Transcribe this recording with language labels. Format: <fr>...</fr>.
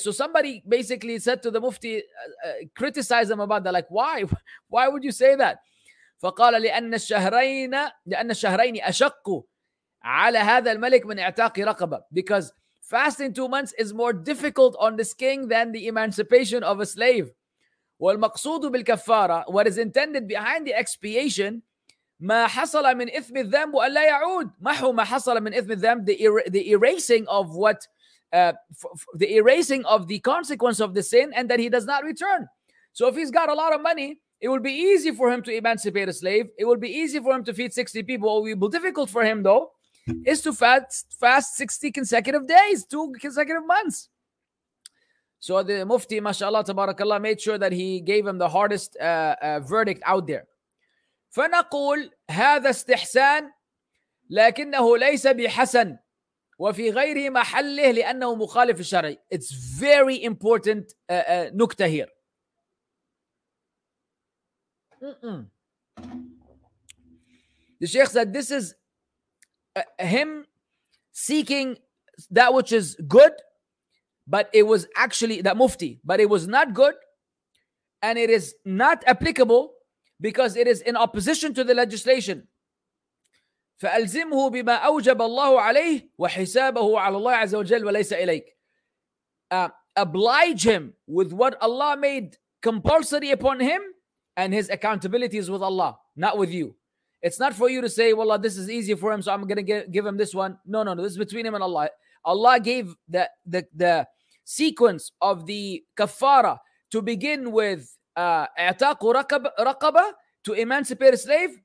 <en>So somebody basically said to the mufti, criticized them about that. Like, why? Why would you say that?</en> <ar>فَقَالَ لِأَنَّ الشَّهْرَيْنِ أَشَقُّ عَلَى هَذَا الْمَلِكِ مِنْ اِعْتَاقِ رَقَبَةٍ.</ar> <en>Because Fasting 2 months is more difficult on this king than the emancipation of a slave.</en> <ar>والمقصود بالكفارة,</ar> <en>what is intended behind the expiation,</en> <ar>ما حصل من إثم الذنب وأن لا يعود. محو ما حصل من إثم الذنب,</ar> <en>the erasing of the consequence of the sin, and that he does not return. So if he's got a lot of money, it will be easy for him to emancipate a slave. It will be easy for him to feed 60 people. What will be difficult for him, though, is to fast 60 consecutive days, 2 consecutive months. So the Mufti, mashallah, tabarakallah, made sure that he gave him the hardest verdict out there.</en> <ar>فنقول هذا استحسان لكنه ليس بحسن وفي غير محله لأنه مخالف الشرع.</ar> <en>It's very important nukta here. The Sheikh said this is him seeking that which is good, but it was actually that Mufti, but it was not good, and it is not applicable because it is in opposition to the legislation.</en> <ar>فألزمه بما أوجب الله عليه وحسابه على الله عز وجل وليس إليك.</ar> <en>Oblige him with what Allah made compulsory upon him, and his accountability is with Allah, not with you. It's not for you to say, well, this is easy for him, so I'm going to give him this one. No, this is between him and Allah. Allah gave the sequence of the kafara to begin with</en> <ar>اعتاقوا رقبة</ar> <en>to emancipate a slave.</en>